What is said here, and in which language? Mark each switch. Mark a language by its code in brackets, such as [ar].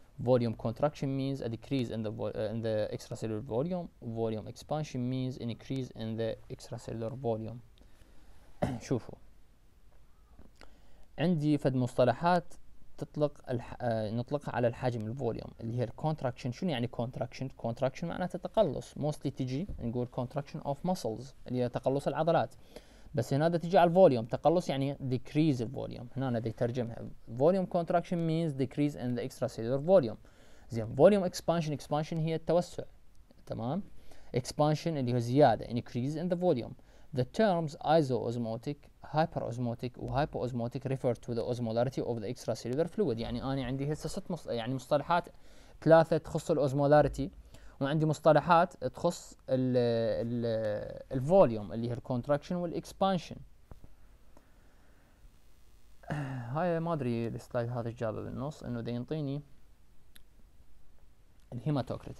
[en] Volume contraction means a decrease in the in the extracellular volume. Volume expansion means an increase in the extracellular volume. [ar] شوفوا عندي فد مصطلحات تطلق نطلقها على الحجم الفوليوم اللي هي الكونتراكشن. شنو يعني كونتراكشن؟ كونتراكشن معناه تقلص، موستلي تجي نقول [en] contraction of muscles [ar] اللي هي تقلص العضلات، بس هنا ده تجي على الفوليوم، تقلص يعني ديكريز الفوليوم. هنا انا بترجمها [en] Volume contraction means decrease in the extracellular volume. [ar] زين فوليوم اكسبانشن، اكسبانشن هي التوسع، تمام؟ اكسبانشن اللي هو زياده، [en] Increase in the volume. The terms isoosmotic, hyperosmotic, and hypoosmotic refer to the osmolarity of the extracellular fluid. [ar] يعني أنا عندي هسه ست يعني مصطلحات ثلاثة تخص الأوزمولاريتي، وعندي مصطلحات تخص الفوليوم اللي هي الكونتراكشن والإكسبانشن. هاي ما أدري السلايد هذا الجابة بالنص إنه ده ينطيني الهيماتوكريت.